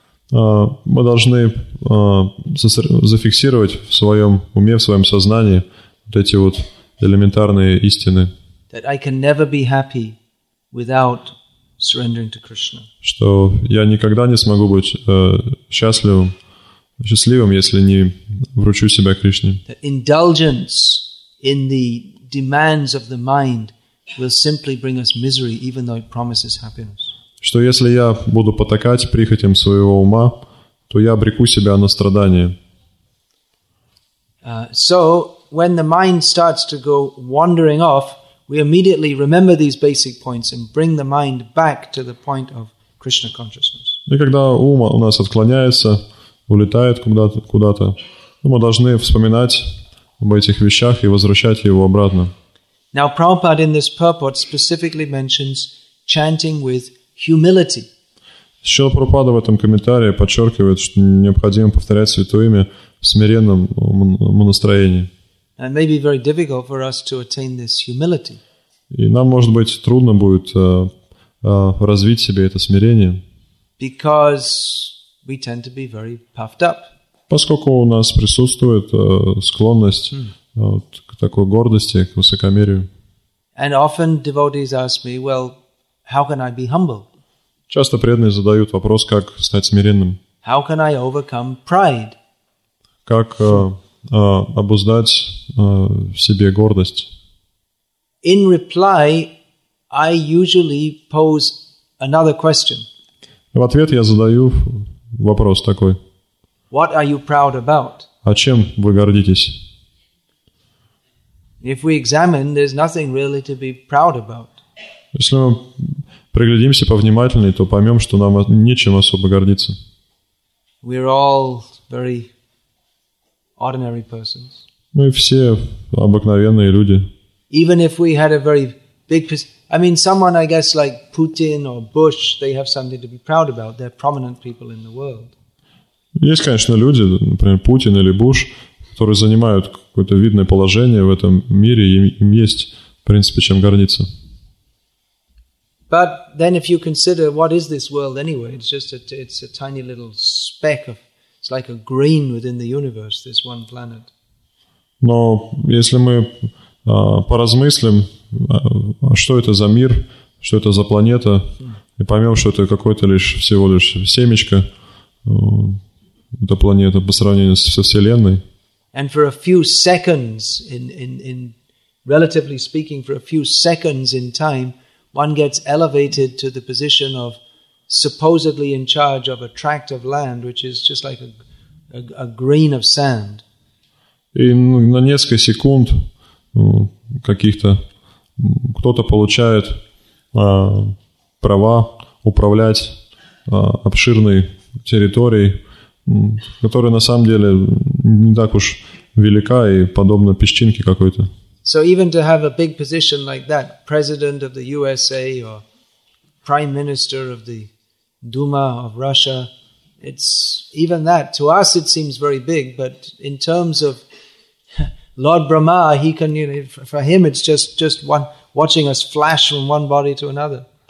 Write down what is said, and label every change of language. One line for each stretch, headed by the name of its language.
Russian: Мы должны зафиксировать в своем уме, в своем сознании вот эти вот элементарные истины.
English: That I can never be happy without surrendering to Krishna.
Russian: Что я никогда не смогу быть счастливым, если не вручу себя Кришне.
English: That indulgence in the demands of the mind will simply bring us misery, even though it promises happiness.
Russian: Что если я буду потакать прихотям своего ума, то я обреку себя на страдания.
English: So when the mind starts to go wandering off, we immediately remember these basic points and bring the mind back to the point of Krishna consciousness.
Russian: И когда ум у нас отклоняется, улетает куда-то, мы должны вспоминать об этих вещах и возвращать его обратно.
English: Now, Prabhupada in this purport specifically mentions chanting with humility.
Russian: Шрила Прабхупада в этом комментарии подчеркивает, что необходимо повторять святое имя в смиренном настроении.
English: And maybe very difficult for us to attain this humility.
Russian: И нам, может быть, трудно будет развить себе это смирение.
English: Because we tend to be very puffed up.
Russian: Поскольку у нас присутствует склонность к такой гордости, к высокомерию.
English: And often devotees ask me, well, how can I be humble?
Russian: Часто преданные задают вопрос, как стать смиренным.
English: How can I overcome pride?
Russian: Как обуздать в себе гордость?
English: In reply, I usually pose another question.
Russian: В ответ я задаю вопрос такой.
English: What are you proud about?
Russian: О чем вы гордитесь?
English: If we examine, there's nothing really to be proud about.
Russian: Если мы приглядимся повнимательнее, то поймем, что нам нечем особо гордиться.
English: We're all very ordinary persons.
Russian: Мы все обыкновенные люди.
English: Even if we had a very big, I mean, someone, I guess, like Putin or Bush, they have something to be proud about. They're prominent people in the world.
Russian: Есть, конечно, люди, например, Путин или Буш, которые занимают какое-то видное положение в этом мире, и им есть, в принципе, чем гордиться.
English: But then if you consider what is this world anyway, it's just it's a tiny little speck of, it's like a grain within the universe, this one planet.
Russian: Но если мы поразмыслим, что это за мир, что это за планета, и поймем, что это какой-то лишь всего лишь семечко, эта планета по сравнению со Вселенной.
English: And for a few seconds, in relatively speaking, for a few seconds in time, one gets elevated to the position of supposedly in charge of a tract of land, which is just like a grain of sand.
Russian: И на несколько секунд каких-то кто-то получает права управлять обширной территорией, которая на самом деле не так уж велика и подобна песчинке какой-то.
English: So even to have a big position like that, president of the USA or prime minister of the Duma of Russia, it's even that. To us it seems very big, but in terms of Lord Brahma, he can, you know, for him it's just one watching us flash from one body to another.